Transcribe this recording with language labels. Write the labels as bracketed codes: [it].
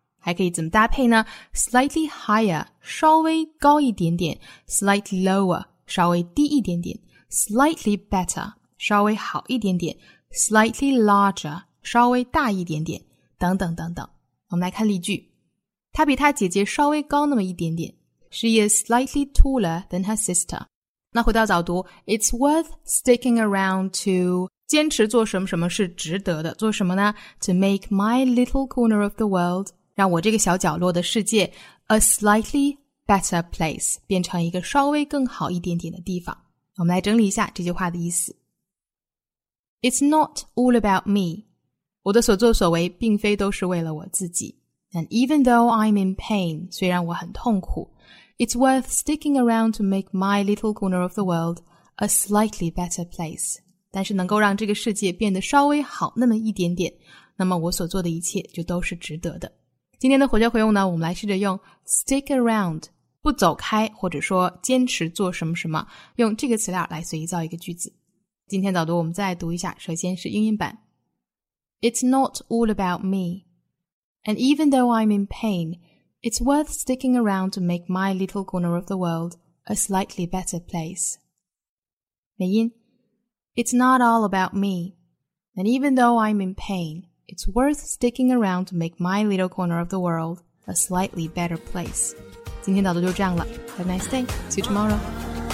[zh] 还可以怎么搭配呢 slightly higher, 稍微高一点点 slightly lower, 稍微低一点点 slightly better, 稍微好一点点 slightly larger, 稍微大一点点等等等等，我们来看例句。她比她姐姐稍微高那么一点点。 [en] She is slightly taller than her sister. [zh] 那回到早读 ， [en] It's worth sticking around to [zh] 坚持做什么什么是值得的，做什么呢 ？ [en] To make my little corner of the world [zh] 让我这个小角落的世界 [en] a slightly better place [zh] 变成一个稍微更好一点点的地方。我们来整理一下这句话的意思。 [en] It's not all about me. [zh] 我的所作所为并非都是为了我自己。 [en] And even though I'm in pain, [zh] 虽然我很痛苦, [en] it's worth sticking around to make my little corner of the world a slightly better place. [zh] 但是能够让这个世界变得稍微好那么一点点,那么我所做的一切就都是值得的。今天的活学活用呢,我们来试着用 stick around, 不走开或者说坚持做什么什么,用这个词料来随意造一个句子。今天早读我们再来读一下,首先是英音版。 [en] It's not all about me. And even though I'm in pain, it's worth sticking around to make my little corner of the world a slightly better place. 美音 It's not all about me. And even though I'm in pain, it's worth sticking around to make my little corner of the world a slightly better place. [zh] 今天到的就这样了。 [en] Have a nice day. See you tomorrow.